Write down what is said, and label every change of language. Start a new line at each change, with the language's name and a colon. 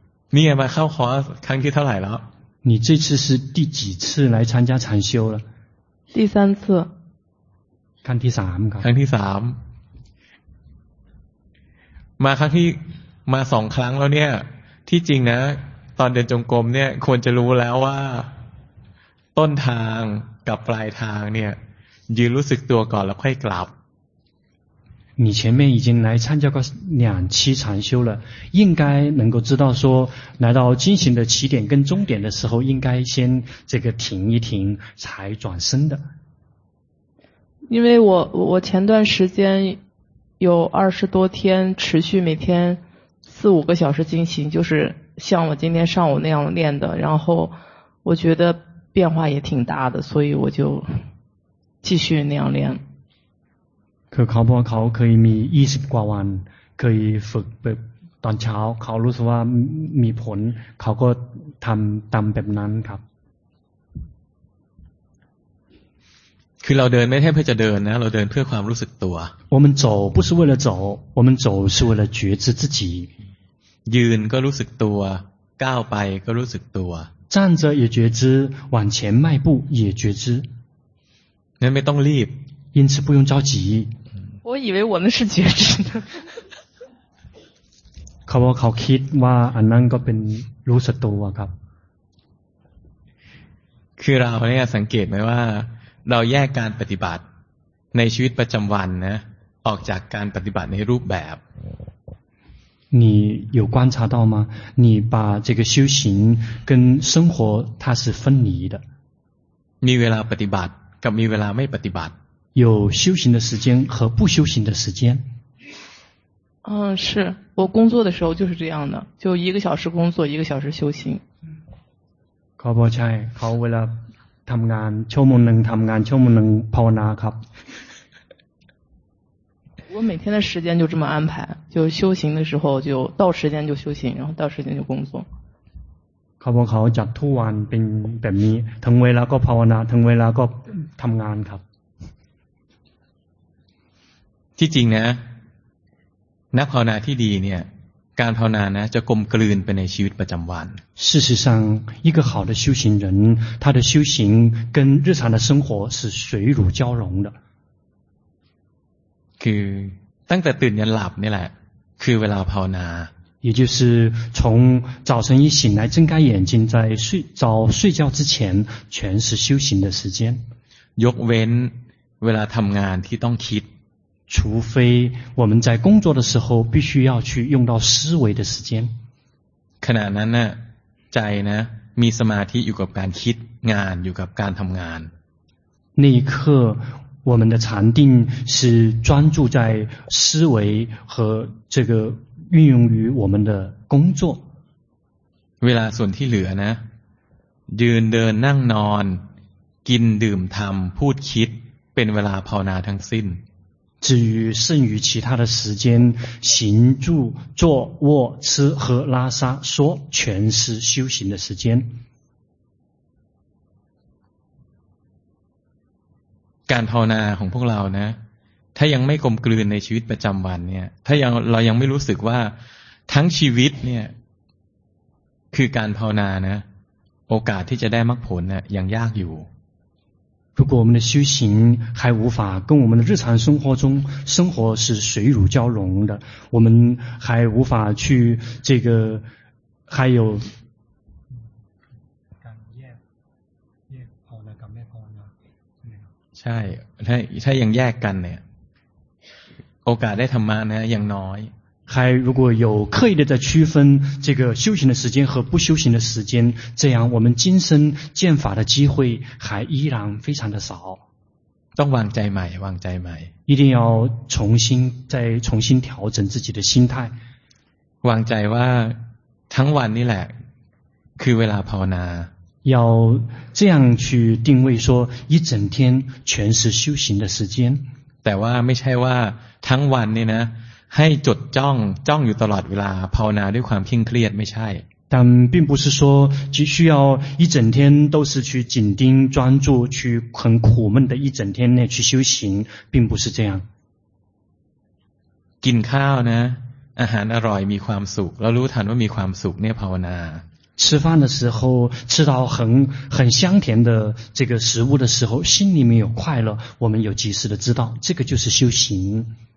Chinese: 你也蛮好活，看见他来了。你这次是第几次来参加禅修了？第三次。看第三个。看第三。来，看第，来两次了，呢，其实呢。
Thai: ตอนเดินจงกรมเนี่ยควรจะรู้แล้วว่าต้นทางกับปลายทางเนี่ยยืนรู้สึกตัวก่อนแล้วค่อยกลับ
Chinese: 你前面已经来参加过两期禅修了应该能够知道说来到进行的起点跟终点的时候应该先这个停一停才转身的因为我前段时间有20多天持续每天4-5个小时进行就是像我今天上午那样练的然后我觉得变化也挺大的所以我就继续那样练
Thai: คือเขาบอกเขาเคยมี20 กว่าวันเคยฝึกแบบตอนเช้าเขารู้สึกว่ามีผลเขาก็ทำตามแบบนั้นครับ คือเราเดินไม่ใช่เพื่อจะเดินนะเราเดินเพื่อความรู้สึกตัว
Chinese: 我们走不是为了走我们走是为了觉知自己
Thai: ยืนก็รู้สึกตัวก้าวไปก็รู้สึกตัว
Chinese: 站着也觉知往前迈步也觉知
Thai: นั้นไม่ต้องรีบ
Chinese: 因此不用着急我以为我那是觉知呢
Thai: เขาบอกเขาคิดว่าอันนั้นก็เป็นรู้สึกตัวครับ คือเราเนี่ยสังเกตไหมว่าเราแยกการปฏิบัติในชีวิตประจำวันนะออกจากการปฏิบัติในรูปแบบ
Chinese: 你有观察到吗？你把这个修行跟生活它是分离的。
Thai: มีเวลาปฏิบัติกับมีเวลาไม่ปฏิบัติ。
Chinese: 有修行的时间和不修行的时间。嗯，是我工作的时候就是这样的，就一个小时工作，一个小时修行。
Thai: ครับใช่เขาเวลาทำงานชั่วโมงหนึ่งทำงานชั่วโมงหนึ่งภาวนาครับ
Chinese: 我每天的时间就这么安排就修行的时候就到时间就修行然后到时间就工作
Thai: เขาบอกเขาจัดทุกวันเป็นแบบนี้ถึงเวลาก็ภาวนาถึงเวลาก็ทำงานครับ ที่จริงนะนักภาวนาที่ดีเนี่ยก การภาวนานะจะกลมกลืนไปในชีวิตประจำวัน
Chinese: 事实上一个好的修行人他的修行跟日常的生活是水乳交融的
Thai: คือตั้งแต่ตื่นยันหลับนี่แหละคือเวลาภาวนา
Chinese: 也就是从早晨一醒来睁开眼睛在睡早睡觉之前全是修行的时间
Thai: ยกเว้นเวลาทำงานที่ต้องคิด
Chinese: 除非我们在工作的时候必须要去用到思维的时间
Thai: ขณะนั้นน่ะใจนะมีสมาธิอยู่กับการคิดงานอยู่กับการทำงาน
Chinese: 那一刻我们的禅定是专注在思维和这个运用于我们的工作
Thai: เวลาส่วนที่เหลือนะยืนเดินนั่งนอนกินดื่มทำพูดคิดเป็นเวลาภาวนาทั้งสิ้น
Chinese: 至于剩余其他的时间行住坐卧吃喝拉撒说全是修行的时间
Thai: การภาวนาของพวกเรานะถ้ายังไม่กลมกลืนในชีวิตประจำวันเนี่ยถ้ายังเรายังไม่รู้สึกว่าทั้งชีวิตเนี่ยคือการภาวนานะโอกาสที่จะได้มรรคผลเนี่ยยังยากอยู่
Chinese: 如果我们的修行还无法跟我们的日常生活中生活是水乳交融的我们还无法去这个还有
Thai: ใช่ถ้ายังแยกกันเนี่ยโอกาสได้ธรรมะนะยังน้อย
Chinese: 还如果有刻意的在区分这个修行的时间和不修行的时间这样我们今生见法的机会还依然非常的少
Thai: ต้องวางใจใหม่วางใจใหม่
Chinese: 一定要重新再重新调整自己的心态
Thai: วางใจว่าทั้งวันนี่แหละคือเวลาภาวนา
Chinese: 要这样去定位说一整天全是修行的时间
Thai: แต่ว่าไม่ใช่ว่าทั้งวันนี่นะให้จดจ้องอยู่ตลอดเวลาภาวนาด้วยความเคร่งเครียดไม่ใช่
Chinese: 但并不是说只需要一整天都是去紧盯专注去很苦闷的一整天内去修行并不是这样
Thai: กินข้าวนะอาหารอร่อยมีความสุขแล้วรู้ทันว่ามีความสุขเนี่ยภาวนา
Chinese: 吃饭的时候吃到很香甜的这个食物的时候心里面有快乐我们有及时的知道这个就是修行